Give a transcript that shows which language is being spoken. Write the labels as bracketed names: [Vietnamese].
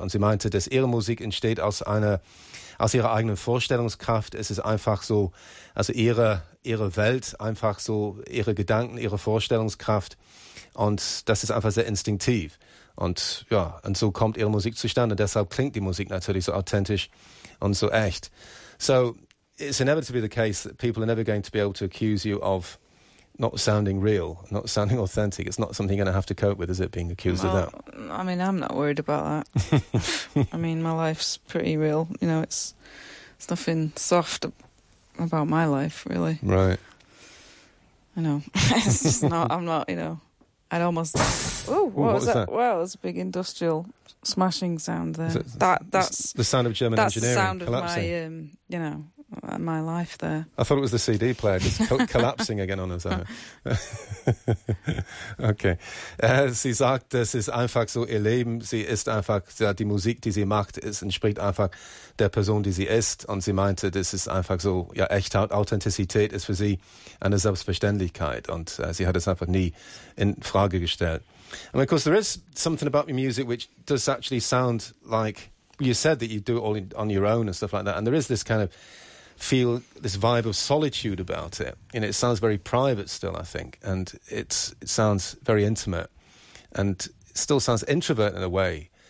[German] Und sie meinte, dass ihre Musik entsteht aus ihrer eigenen Vorstellungskraft. Es ist einfach so, also ihre Welt, einfach so ihre Gedanken, ihre Vorstellungskraft. Und das ist einfach sehr instinktiv. Und ja, und so kommt ihre Musik zustande. Deshalb klingt die Musik natürlich so authentisch und so echt. [English] So, it's inevitably the case that people are never going to be able to accuse you of not sounding real, not sounding authentic. It's not something you're going to have to cope with, is it, being accused of that? I mean, I'm not worried about that. I mean, my life's pretty real. You know, it's nothing soft about my life, really. Right. I know. It's just not, I'm not, you know, I'd almost... What was that? Well, it was a big industrial smashing sound there. That's the sound of German engineering collapsing. That's the sound of my, you know... my life there. I thought it was the CD player just collapsing again on us. Okay. [German] Sie sagt, das ist einfach so ihr Leben. Sie ist einfach, die Musik, die sie macht, es entspricht einfach der Person, die sie ist. Und sie meinte, das ist einfach so, ja, echt Authentizität ist für sie eine Selbstverständlichkeit. Und sie hat es einfach nie in Frage gestellt. [English] And of course, there is something about your music which does actually sound like... You said that you do it all on your own and stuff like that, and there is this kind of feel, this vibe of solitude about it. And it sounds very private still, I think, and it sounds very intimate and still sounds introvert in a way.